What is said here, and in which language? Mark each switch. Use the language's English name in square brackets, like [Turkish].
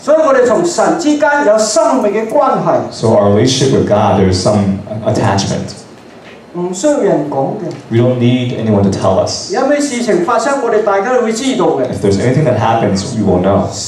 [Cantonese] 所以我哋同神之間有生命嘅關係。 [English] So our relationship with God, there is some attachment. [Cantonese] 唔需要人講嘅。 [English] We don't need anyone to tell us. [Cantonese] 有咩事情發生，我哋大家都會知道嘅。 [English] If there's anything that happens, we will know.